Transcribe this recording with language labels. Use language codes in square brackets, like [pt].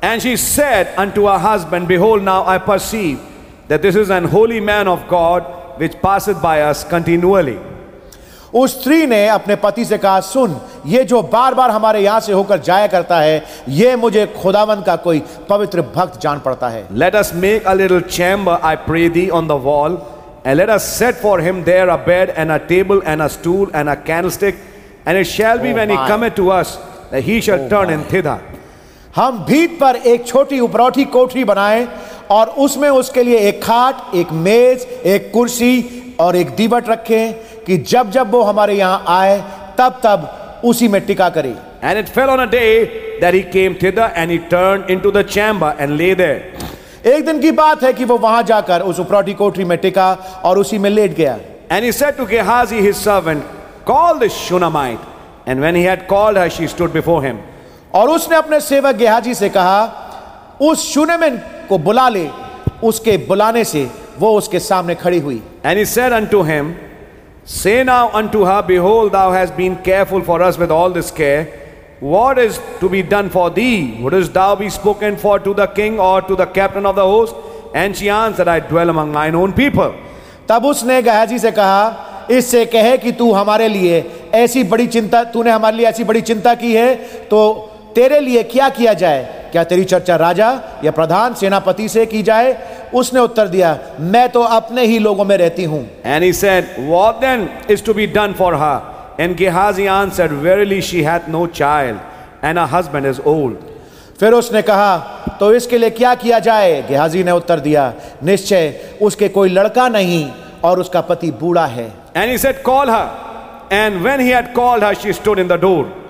[en] And she said unto her husband, Behold, now I perceive that this is an holy man of God which passeth by us continually. [hi] उस स्त्री ने अपने पति से कहा, सुन, ये जो बार बार हमारे यहां से होकर जाया करता है ये मुझे खुदावन का कोई पवित्र भक्त जान पड़ता है. [en] Let us make a little chamber, I pray thee, on the wall, and let us set for him there a bed and a table and a stool and a candlestick, and it shall be when he cometh to us that he shall turn in thither. [hi] हम भीत पर एक छोटी उपरौठी कोठरी बनाए और उसमें उसके लिए एक खाट, एक मेज, एक कुर्सी और एक दीवट रखे कि जब जब वो हमारे यहां आए तब तब उसी में टिका करे. [en] And it fell on a day that he came thither and he turned into the chamber and lay there. [hi] एक दिन की बात है कि वो वहां जाकर उस उपरौठी कोठरी में टिका और उसी में लेट गया. [en] And he said to Gehazi his servant, Call the Shunammite. And when he had called her, she stood before him. [hi] और उसने अपने सेवक गेहाजी से कहा, उस शूनेमिन को बुला ले. उसके बुलाने से वो उसके सामने खड़ी हुई. [en] And he said unto him, Say now unto her, Behold, thou hast been careful for us with all this care. What is to be done for thee? Wouldst thou be spoken for to the king or to the captain of the host? And she answered, I dwell among mine own people. [hi] तब उसने गहजी से कहा, इससे कहे कि तू हमारे लिए ऐसी बड़ी चिंता, तूने हमारे लिए ऐसी बड़ी चिंता की है, तो तेरे लिए क्या किया जाए? क्या तेरी चर्चा राजा या प्रधान सेनापति से की जाए? उसने उत्तर दिया, मैं तो अपने ही लोगों में रहती हूं. [en] And he said, What then is to be done for her? And Gehazi answered, Verily she hath no child, and her husband is old. [hi] फिर उसने कहा, तो इसके लिए क्या किया जाए? Gehazi ने उत्तर दिया, निश्चय उसके कोई लड़का नहीं और उसका पति बूढ़ा है. [en] And he said, Call her And when he had called her, she stood in the door.